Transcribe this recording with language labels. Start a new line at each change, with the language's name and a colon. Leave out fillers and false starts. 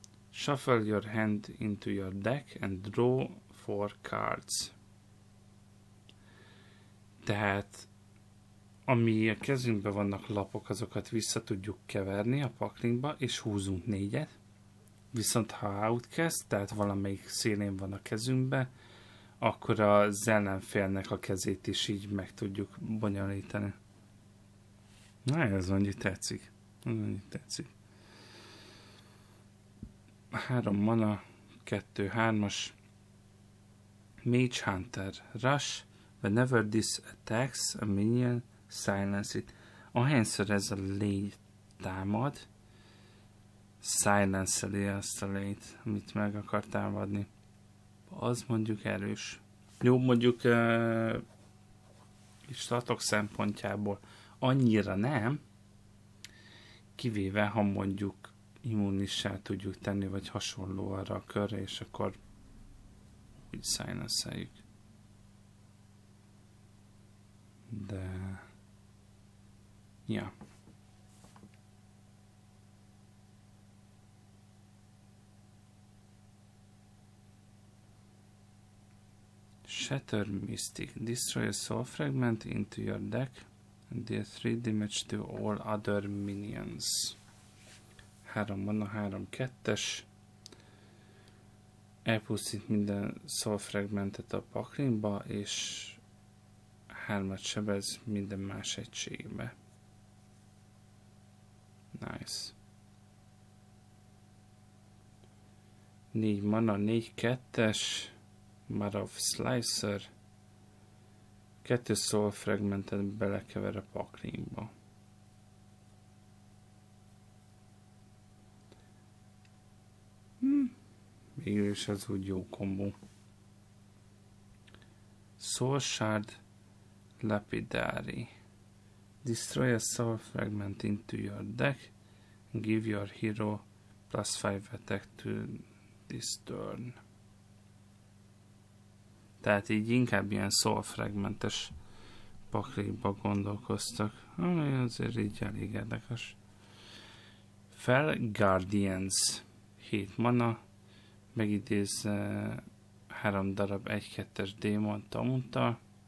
English: Shuffle your hand into your deck and draw 4 cards.
Hungarian: Tehát, ami a kezünkben vannak lapok, azokat vissza tudjuk keverni a paklinkba, és húzunk 4-et. Viszont ha outcast, tehát valamelyik szélén van a kezünkben, akkor az ellenfélnek a kezét is így meg tudjuk bonyolítani. Na, ez mondjuk tetszik. Ez mondjuk tetszik. 3 mana, 2-3-as. Mage Hunter Rush.
English: Whenever this attacks a minion, silence it.
Hungarian: Ahányszor ez a lény támad, silence-eli azt a lényt, amit meg akar támadni. Az mondjuk erős. Jó, mondjuk statok szempontjából annyira nem, kivéve ha mondjuk immunissá tudjuk tenni, vagy hasonló arra a körre, és akkor úgy silence-eljük. De ja.
English: Shattered Mystic. Destroy a soul fragment into your deck and deal 3 damage to all other minions.
Hungarian: 3 mana, 3-2-es. Elpusztít minden soul fragmentet a paklimba, és 3-at sebez minden más egységbe.
English: Nice.
Hungarian: 4 mana, 4-2-es, Marov Slicer, 2 soul fragmentet belekever a paklimba. Végül is ez úgy jó kombó.
English: Soul Shard, Lapidary. Destroy a soul fragment into your deck. Give your hero plus 5 attack to this turn.
Hungarian: Tehát így inkább ilyen soul fragmentes paklikba gondolkoztak. Ami azért így elég érdekes. Fel Guardians. 7 mana. Megidéz 3 darab 1-2-es démon Tamuntal.